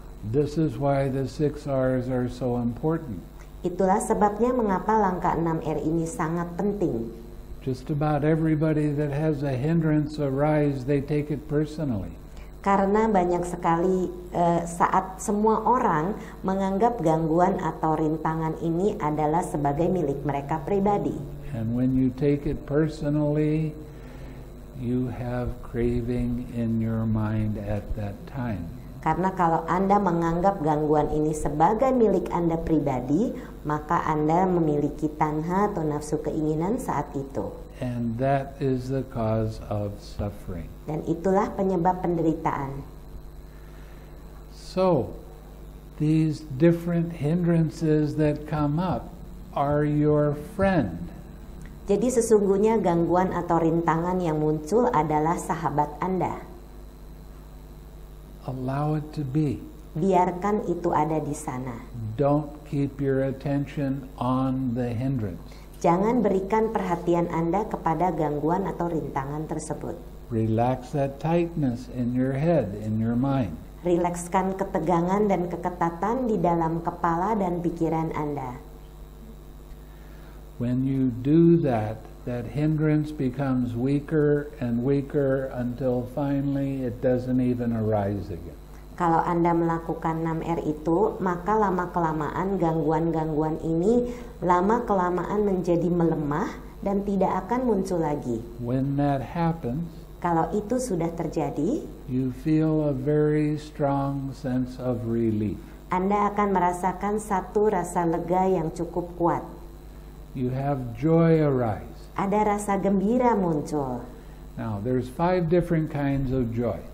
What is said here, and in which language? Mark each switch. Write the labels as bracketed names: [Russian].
[English] This is why the 6 R's are so important. [Indonesian] Itulah sebabnya mengapa langkah 6 R ini sangat penting. [English] Just about everybody that has a hindrance arise, they take it personally. [Indonesian] Karena banyak sekali saat semua orang menganggap gangguan atau rintangan ini adalah sebagai milik mereka pribadi. [English] And when you take it personally, you have craving in your mind at that time. [Indonesian] Karena kalau Anda menganggap gangguan ini sebagai milik Anda pribadi, maka Anda memiliki tanha atau nafsu keinginan saat itu. [English] And that is the cause of suffering. [Indonesian] Dan itulah penyebab penderitaan. [English] So, these different hindrances that come up are your friend. [Indonesian] Jadi sesungguhnya gangguan atau rintangan yang muncul adalah sahabat Anda. [English] Allow it to be. [Indonesian] Biarkan itu ada di sana. [English] Don't keep your attention on the hindrance. [Indonesian] Jangan berikan perhatian Anda kepada gangguan atau rintangan tersebut. [English] Relax that tightness in your head, in your mind. [Indonesian] Rilekskan ketegangan dan keketatan di dalam kepala dan pikiran Anda. [English] When you do that, that hindrance becomes weaker and weaker until finally it doesn't even arise again. [Indonesian] Kalau Anda melakukan 6R itu, maka lama-kelamaan gangguan-gangguan ini lama-kelamaan menjadi melemah dan tidak akan muncul lagi. [English] When that happens, [Indonesian] kalau itu sudah terjadi, [English] you feel a very strong sense of relief. [Indonesian] Anda akan merasakan satu rasa lega yang cukup kuat. [English] You have joy arise. [Indonesian] Ada rasa gembira muncul. [English] Now, there's 5 different kinds of joy.